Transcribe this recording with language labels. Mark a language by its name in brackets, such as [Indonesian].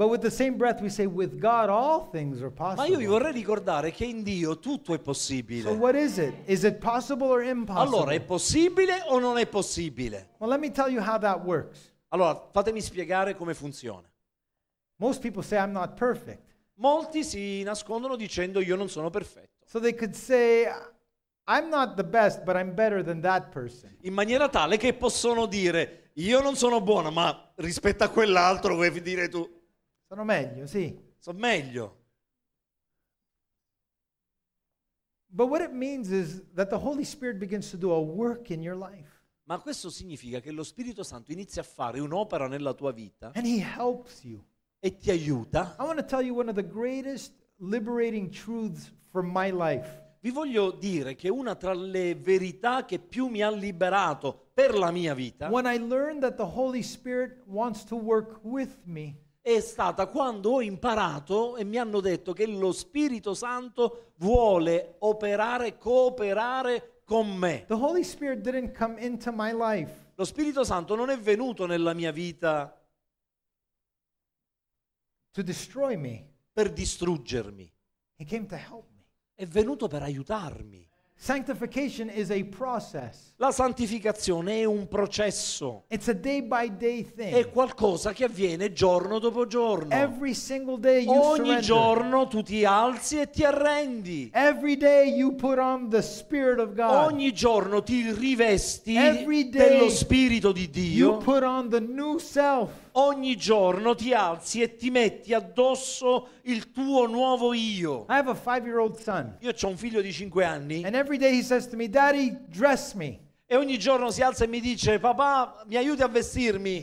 [English] But with the same breath we say with God all things are possible. [Italian] Ma io vi vorrei ricordare che in Dio tutto è possibile. [English] So what is it? Is it possible or impossible? [Italian] Allora, è possibile o non è possibile? [English] Well, let me tell you how that works. [Italian] Allora, fatemi spiegare come funziona. [English] Most people say I'm not perfect. [Italian] Molti si nascondono dicendo io non sono perfetto. [English] So they could say I'm not the best but I'm better than that person. [Italian] In maniera tale che possono dire io non sono buono, ma rispetto a quell'altro vuoi dire tu sono meglio, sì. Sono meglio. [English] But what it means is that the Holy Spirit begins to do a work in your life. [Italian] Ma questo significa che lo Spirito Santo inizia a fare un'opera nella tua vita. [English] And he helps you. [Italian] E ti aiuta. [English] I want to tell you one of the greatest liberating truths from my life. [Italian] Vi voglio dire che una tra le verità che più mi ha liberato per la mia vita. [English] When I learned that the Holy Spirit wants to work with me. [Italian] è stata quando ho imparato e mi hanno detto che lo Spirito Santo vuole operare, cooperare con me. [English] The Holy Spirit didn't come into my life. [Italian] Lo Spirito Santo non è venuto nella mia vita [English] to destroy me. [Italian] Per distruggermi. [English] He came to help me. [Italian] È venuto per aiutarmi. [English] Sanctification is a process. [Italian] La santificazione è un processo. [English] It's a day by day thing. [Italian] È qualcosa che avviene giorno dopo giorno. [English] Every single day you [Italian] ogni [English] surrender. [Italian] Giorno tu ti alzi e ti arrendi. [English] Every day you put on the Spirit of God. [Italian] Ogni giorno ti rivesti [English] Every day [Italian] dello Spirito di Dio. [English] You put on the new self. [Italian] Ogni giorno ti alzi e ti metti addosso il tuo nuovo io. [English] I have a 5-year-old son. [Italian] Io c'ho un figlio di 5 anni. [English] And every day he says to me, Daddy, dress me. [Italian] E ogni giorno si alza e mi dice, papà, mi aiuti a vestirmi.